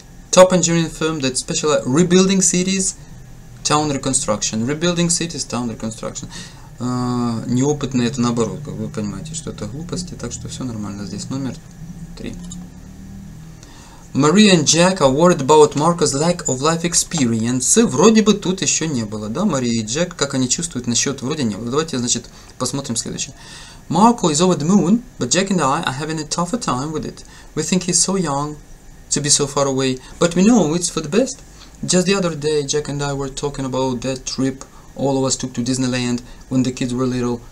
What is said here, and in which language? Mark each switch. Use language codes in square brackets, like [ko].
[en] Top engineering firm that specializes rebuilding cities, town reconstruction. Rebuilding cities, town reconstruction. [ru] Неопытный это наоборот, как вы понимаете, что это глупости, так что все нормально здесь. Номер 3. [en] Maria and Jack are worried about Marco's lack of life experience. [ru] Вроде бы тут еще не было, да, Maria и Jack, как они чувствуют насчет вроде не было. Давайте, значит, посмотрим следующее. [en] Marco is over the moon, but Jack and I are having a tougher time with it. We think he's so young to be so far away, but we know it's for the best. Just the other day, Jack and I were talking about that trip all of us took to Disneyland when the kids were little.